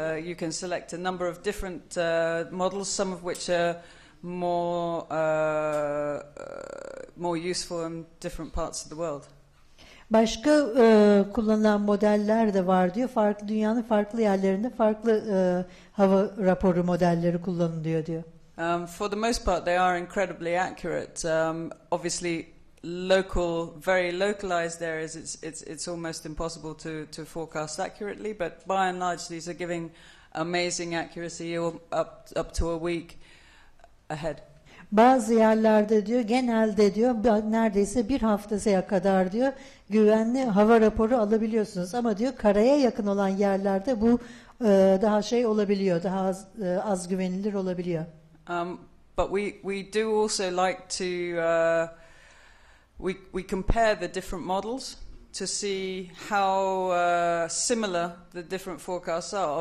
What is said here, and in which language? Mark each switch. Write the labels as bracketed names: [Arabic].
[English] You can select a number of different models, some of which are more useful in different parts of the world. [Turkish] Başka kullanılan modeller de var diyor. Farklı dünyanın farklı yerlerinde farklı hava raporu modelleri kullanılıyor diyor. [English] For the most part they are incredibly accurate. Obviously local, very localized areas, it's almost impossible to forecast accurately, but by and large these are giving amazing accuracy up to a week ahead. [Turkish] Bazı yerlerde diyor, genelde diyor, neredeyse bir haftaya kadar diyor, güvenli hava raporu alabiliyorsunuz. Ama diyor, karaya yakın olan yerlerde bu daha şey olabiliyor, daha az güvenilir olabiliyor. [English] But we do also like to we compare the different models to see how similar the different forecasts are.